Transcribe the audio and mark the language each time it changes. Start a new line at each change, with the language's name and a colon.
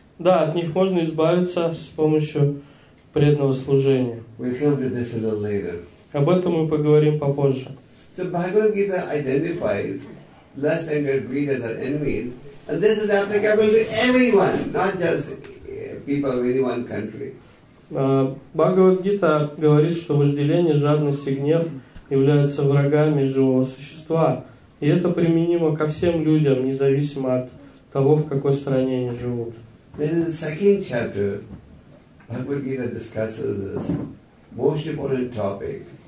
Russian: Да, от них можно избавиться с помощью преданного служения.
English: We'll come to this a little later.
Russian: Об этом мы поговорим попозже.
English: So Bhagavad-gita identifies lust, anger, greed as our enemies, and this is applicable to everyone, not just people of any one country.
Russian: Бхагавад-гита говорит, что вожделение, жадность и гнев являются врагами живого существа, и это применимо ко всем людям, независимо от того, в какой стране они живут.
English: Then in the second chapter, Bhagavad-gita discusses this most important topic.